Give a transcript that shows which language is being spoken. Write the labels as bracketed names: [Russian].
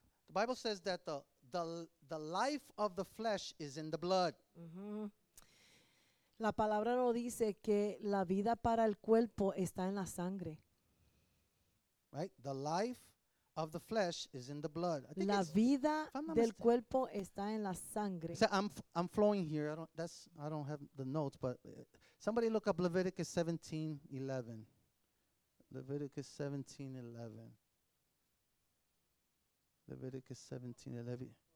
[English] The Bible says that the life of the flesh is in the blood. [Spanish] La palabra nos dice que la vida para el cuerpo está en la sangre. [English] Right? The life of the flesh is in the blood. I think [Spanish] la vida del cuerpo está en la sangre. [English] So I'm flowing here. I don't have the notes, but somebody look up Leviticus 17:11. Leviticus 17:11. Leviticus 17:11.